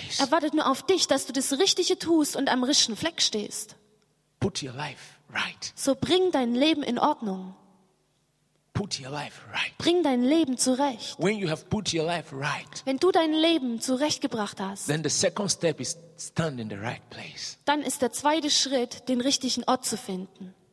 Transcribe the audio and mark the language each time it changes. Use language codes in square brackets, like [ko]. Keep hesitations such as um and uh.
[de] wartet nur auf dich, dass du das Richtige tust und am richtigen Fleck stehst. [en] Put your life right. [de] So bring dein Leben in Ordnung. [en] Put your life right. [de] Bring dein Leben zurecht. [en] When you have put your life right, [de] Wenn du dein Leben zurechtgebracht hast, [en] then the second step is stand in the right place. [de] dann ist der zweite Schritt, den richtigen Ort zu finden.